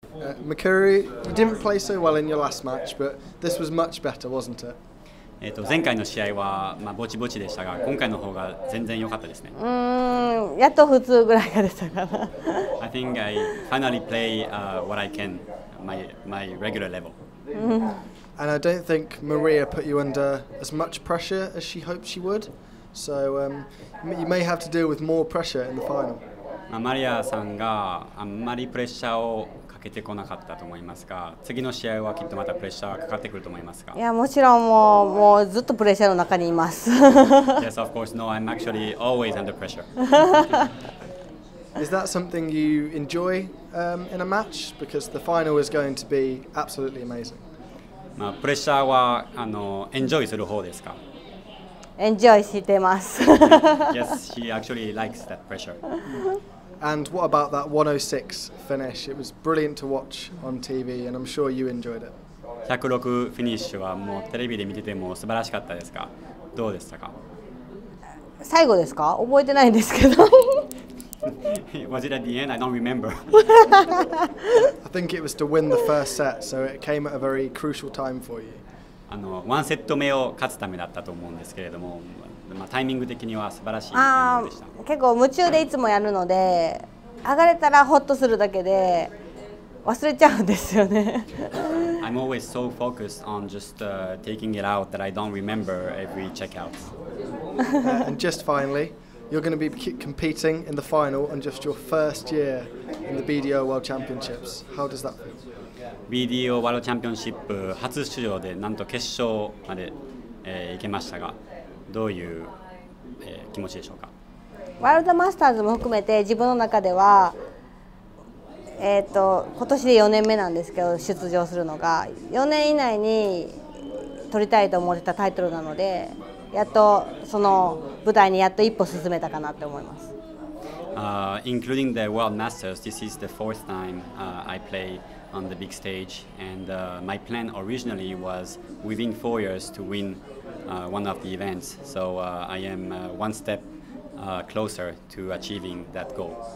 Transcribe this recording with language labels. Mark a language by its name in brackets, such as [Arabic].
[English] Mikuru, you didn't play so well in your last match, but this was much better, wasn't it? [Japanese] 前回の試合は、まあ、ぼちぼちでしたが、今回の方が全然良かったですね。やっと普通ぐらいでしたかな。 [English] I think I finally play what I can, my regular level. And I don't think Maria put you under as much pressure as she hoped she would. So you may have to deal with more pressure in the final. [Japanese] まあ、マリアさんがあんまりプレッシャーをかけてこなかったと思いますが、次の試合はきっとまたプレッシャーかかってくると思いますが。いや、もちろんもうずっとプレッシャーの中にいます。 [English] Yes, of course. No, I'm actually always under pressure. Is that something you enjoy in a match? Because the final is going to be absolutely amazing. [Japanese] まあ、プレッシャーはエンジョイする方ですか？ Enjoy してます。 [English] Yes, she actually likes that pressure. And what about that 106 finish? It was brilliant to watch on TV, and I'm sure you enjoyed it. [Japanese] 106 finish はもうテレビで見てても素晴らしかったですか？どうでしたか？最後ですか？覚えてないんですけど。 [English] Was it at the end? I don't remember. I think it was to win the first set, so it came at a very crucial time for you. [Japanese] 1セット目を勝つためだったと思うんですけれども、まあ、タイミング的には素晴らしいタイミングでした。結構夢中でいつもやるので、はい、上がれたらホッとするだけで忘れちゃうんですよね。 [English] I'm always so focused on just taking it out that I don't remember every checkout. And just finally, you're going to be competing in the final on just your first year in the BDO World Championships. How does that feel? [Japanese] BDO ワールドチャンピオンシップ初出場でなんと決勝まで、行けましたが、どういう、気持ちでしょうか。ワールドマスターズも含めて自分の中では、今年で4年目なんですけど、出場するのが4年以内に取りたいと思ってたタイトルなので、やっとその舞台にやっと一歩進めたかなと思います。 [English] Including the World Masters, this is the fourth time I playon the big stage, and my plan originally was within 4 years to win one of the events, so I am one step closer to achieving that goal.